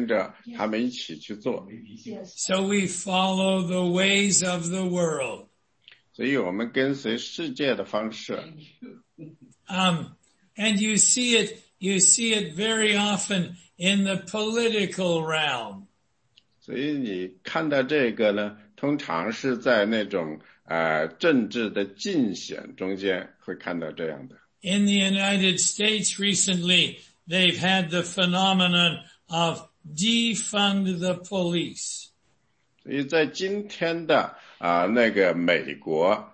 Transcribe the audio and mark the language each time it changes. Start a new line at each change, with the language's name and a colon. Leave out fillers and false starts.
Chinese: 所以人呢，就像我们，就像那个羊一样，我们大家互相呢，通常呢，都是其他的人做了的事情，就算是没有事实、没有真理，我们也会跟着他们一起去做。
English: So we follow the ways of the world.
Chinese: 所以我们跟随世界的方式。
English: And you see it very often in the political realm.
Chinese: 所以你看到这个呢，通常是在那种政治的竞选中间会看到这样的。
English: In the United States recently, they've had the phenomenon of defund the police.
Chinese: 所以在今天的那个美国。